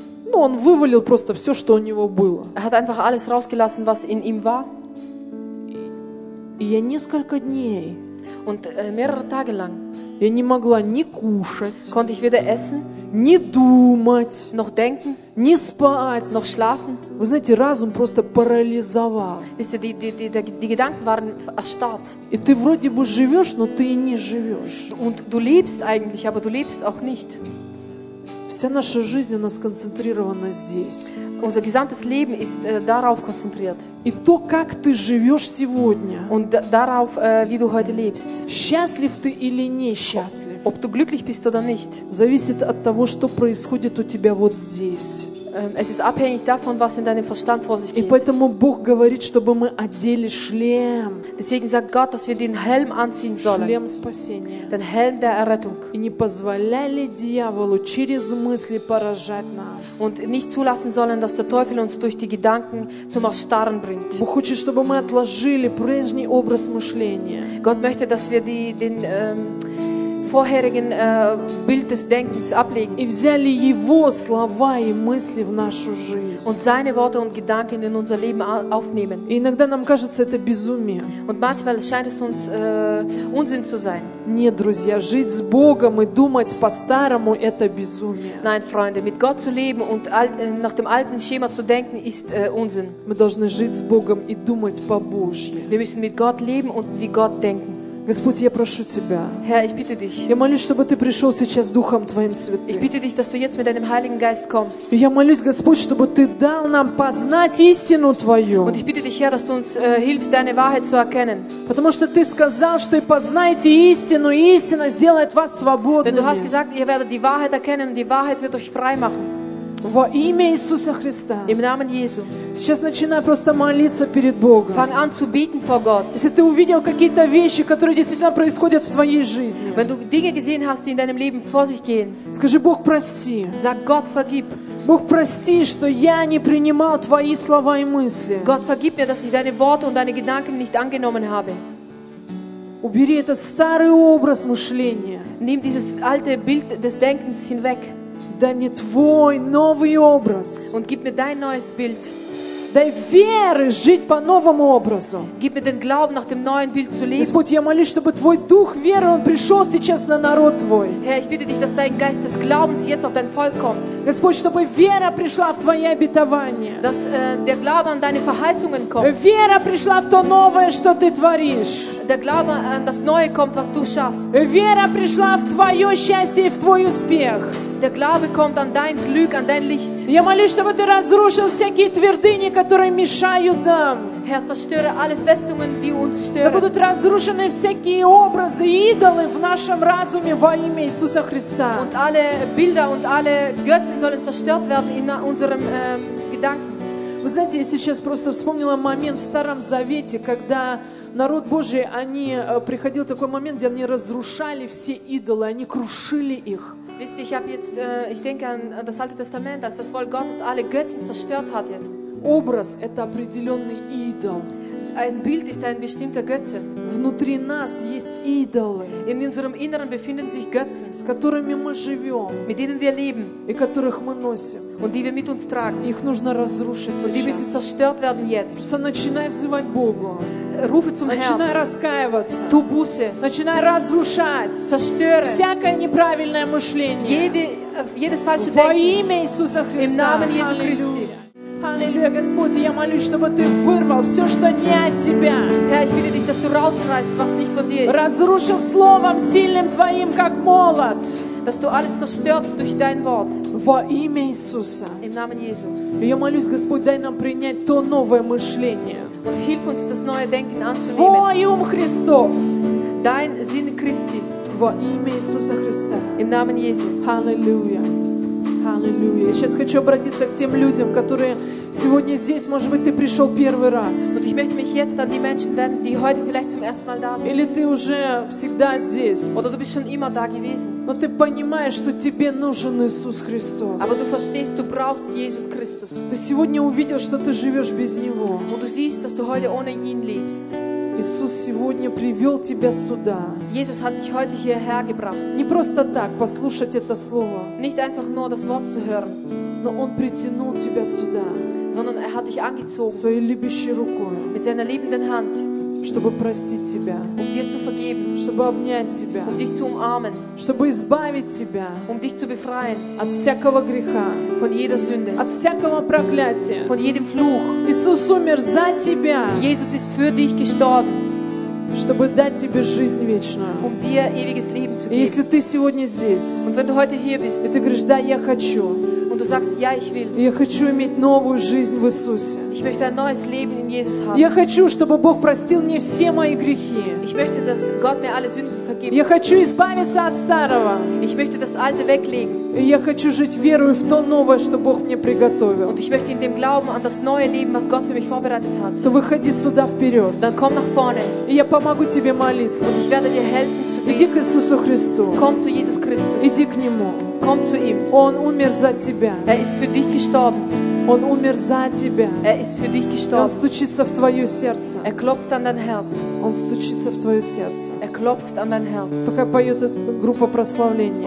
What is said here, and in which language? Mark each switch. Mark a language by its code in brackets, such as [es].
[ru] Ну, он вывалил просто все, что у него было. [de] Er hat einfach alles rausgelassen, was in ihm war. [ru] И я несколько дней. [de] Und mehrere Tage lang. [ru] Я не могла ни кушать. [de] Konnte ich weder essen. [ru] Ни думать. [de] Noch denken. [ru] Ни спать. [de] Noch schlafen. [ru] Вы знаете, разум просто парализовал. [de] Wisst ihr, die Gedanken waren erstarrt. [ru] И ты вроде бы живешь, но ты и не живешь. [de] Und du lebst eigentlich, aber du lebst auch nicht. [ru] Вся наша жизнь, она сконцентрирована здесь. [de] Unser gesamtes Leben ist darauf konzentriert. [ru] И то, как ты живешь сегодня. [de] Und darauf, wie du heute lebst. [ru] Счастлив ты или не счастлив. [de] Ob du glücklich bist oder nicht. [ru] Зависит от того, что происходит у тебя вот здесь. [de] Es ist abhängig davon, was in deinem Verstand vor sich geht. [ru] И поэтому Бог говорит, чтобы мы одели шлем. [de] Deswegen sagt Gott, dass wir den Helm anziehen sollen. [ru] Шлем спасения. [de] Den Helm der Errettung. [ru] И не позволяли дьяволу через мысли поражать нас. [de] Und nicht zulassen sollen, dass der Teufel uns durch die Gedanken zum Erstarren bringt. [ru] Бог хочет, чтобы мы отложили прежний образ мышления. [de] Gott möchte, dass wir den vorherigen Bild des Denkens ablegen. [ru] И взяли его слова и мысли в нашу жизнь. [de] Und seine Worte und Gedanken in unser Leben aufnehmen. [ru] И иногда нам кажется, это безумие. [de] Und manchmal scheint es uns Unsinn zu sein. [ru] Нет, друзья, жить с Богом и думать по-старому – это безумие. [de] Nein, Freunde, mit Gott zu leben und nach dem alten Schema zu denken ist Unsinn. [ru] Мы должны жить с Богом и думать по-божьи. [de] Wir müssen mit Gott leben und wie Gott denken. [ru] Господь, я прошу тебя. [de] Herr, ich bitte dich. [ru] Я молюсь, чтобы ты пришел сейчас Духом твоим святым. [de] Ich bitte dich, dass du jetzt mit deinem Heiligen Geist kommst. [ru] Я молюсь, Господь, чтобы ты дал нам познать истину твою. [de] Und ich bitte dich, Herr, dass du uns hilfst, deine Wahrheit zu erkennen. [ru] Потому что ты сказал, что и познаете истину, и истина сделает вас свободными. [de] Denn du hast gesagt, ihr werdet die Wahrheit erkennen und die Wahrheit wird euch frei machen. [ru] Во имя Иисуса Христа. [de] Im Namen Jesu. [ru] Сейчас начинай просто молиться перед Богом. [de] Fang an zu beten vor Gott. [ru] Если ты увидел какие-то вещи, которые действительно происходят в твоей жизни. [de] Wenn du Dinge gesehen hast, die in deinem Leben vor sich gehen. [ru] Скажи: Бог, прости. [de] Sag: Gott, vergib. [ru] Бог, прости, что я не принимал твои слова и мысли. [de] Gott, vergib mir, dass ich deine Worte und deine Gedanken nicht angenommen habe. [ru] Убери этот старый образ мышления. [de] Nimm dieses alte Bild des Denkens hinweg. [ru] Дай мне твой новый образ. [de] Und gib mir dein neues Bild. [ru] Дай веры жить по новому образу. [de] Gib mir den Glauben nach dem neuen Bild zu leben. [ru] Господь, я молюсь, чтобы твой дух веры он пришел сейчас на народ твой. [de] Herr, ich bitte dich, dass dein Geist des Glaubens jetzt auf dein Volk kommt. [ru] Господь, чтобы вера пришла в твои обетования. [de] Dass der Glaube an deine Verheißungen kommt. [ru] Вера пришла в то новое, что ты творишь. [de] Der Glaube an das Neue kommt, was du schaffst. [ru] Вера пришла в твое счастье и в твой успех. [de] Der Glaube kommt an dein Glück, an dein Licht. [ru] Я молюсь, чтобы ты разрушил всякие твердыни, которые мешают нам. [de] Herr, zerstöre alle Festungen, die uns stören. [ru] Да будут разрушены всякие образы, идолы в нашем разуме во имя Иисуса Христа. [de] Und alle Bilder und alle Götzen sollen zerstört werden in unserem Gedanken. [ru] Вы знаете, я сейчас просто вспомнила момент в Старом Завете, когда народ Божий, они приходил такой момент, где они разрушали все идолы, они крушили их. [de] Wisst ihr, ich habe jetzt, ich denke an das Alte Testament, als das Volk Gottes alle Götzen zerstört hatte. [ru] Образ – это определенный идол. [de] Ein Bild ist ein bestimmter Götze. [ru] Внутри нас есть идолы. [de] In unserem Inneren befinden sich Götzen. [ru] С которыми мы живем. [de] Mit denen wir leben. [ru] И которых мы носим. [de] Und die wir mit uns tragen. [ru] Их нужно разрушить сейчас. [de] Und die müssen zerstört werden jetzt. [ru] Просто начинай взывать Богу. [de] Rufe zum Herrn. [ru] Начинай раскаиваться. [de] Tu Buße. [ru] Начинай разрушать. [de] Zerstöre. [ru] Всякое неправильное мышление. [de] Jedes falsche Denken. [ru] Во имя Иисуса Христа. [de] Im Namen Jesu Christi. [ru] Аллилуйя, Господи, я молюсь, чтобы ты вырвал все, что не от тебя. [de] Herr, ich bitte dich, dass du rausreißt, was nicht von dir ist. [ru] Разрушил словом сильным твоим, как молот. [de] dass du alles zerstörst durch dein Wort. [ru] Во имя Иисуса. [de] Im Namen Jesu. [ru] Я молюсь, Господь, дай нам принять то новое мышление. [de] Und hilf uns, das neue Denken anzunehmen. [ru] Твой ум Христов. [de] Dein Sinn Christi. [ru] Во имя Иисуса Христа. [de] Im Namen Jesu. Halleluja. [ru] Halleluja. Я сейчас хочу обратиться к тем людям, которые сегодня здесь, может быть, ты пришел первый раз. [de] Und ich möchte mich jetzt an die Menschen wenden, die heute vielleicht zum ersten Mal da sind. [ru] Или ты уже всегда здесь. [de] Oder du bist schon immer da gewesen. [ru] Но ты понимаешь, что тебе нужен Иисус Христос. [de] Aber du verstehst, du brauchst Jesus Christus. [ru] Ты сегодня увидел, что ты живешь без Него. [de] Und du siehst, dass du heute ohne ihn lebst. [ru] Иисус сегодня привел тебя сюда. [de] Jesus hat dich heute hierher gebracht. [ru] Не просто так послушать это слово. [de] Nicht einfach nur das Wort zu hören. [ru] Но Он притянул тебя сюда. [de] Sondern er hat dich angezogen. [ru] Своей любящей рукой. [de] Mit seiner liebenden Hand. [ru] Чтобы простить тебя. [de] Um dir zu vergeben. [ru] Чтобы обнять тебя. [de] Um dich zu umarmen. [ru] Чтобы избавить тебя. [de] Um dich zu befreien. [ru] От всякого греха. [de] Von jeder Sünde. [ru] От всякого проклятия. [de] Von jedem Fluch. [ru] Иисус умер за тебя. [de] Jesus ist für dich gestorben. [ru] Чтобы дать тебе жизнь вечную. [de] Um dir ewiges Leben zu geben. [ru] И если ты сегодня здесь. [de] Und wenn du heute hier bist. [ru] И ты говоришь, да, я хочу. [de] Und du sagst, ja, ich will. [ru] Я хочу иметь новую жизнь в Иисусе. [de] Ich möchte ein neues Leben in Jesus haben. [ru] Я хочу, чтобы Бог простил мне все мои грехи. [de] Ich möchte, dass Gott mir alle Sünden vergibt. [ru] Я хочу избавиться от старого. [de] Ich möchte das Alte weglegen. [ru] И я хочу жить верою в то новое, что Бог мне приготовил. [de] Und ich möchte in dem Glauben an das neue Leben, was Gott für mich vorbereitet hat. [ru] So, выходи сюда вперед. [de] Dann komm nach vorne. [ru] И я помогу тебе молиться. [de] Und ich werde dir helfen zu beten. [ru] Иди к Иисусу Христу. [de] Komm zu Jesus Christus. [ru] Иди к Нему. [de] Komm zu ihm. [ru] Он умер за тебя. [de] Er ist für dich gestorben. [ru] Он умер за тебя. [de] Er ist für dich gestorben. [ru] Он стучится в твое сердце. [de] Er klopft an dein Herz. [ru] Он стучится в твое сердце. [de] Er klopft an dein Herz. [ru] Пока поет группа прославления.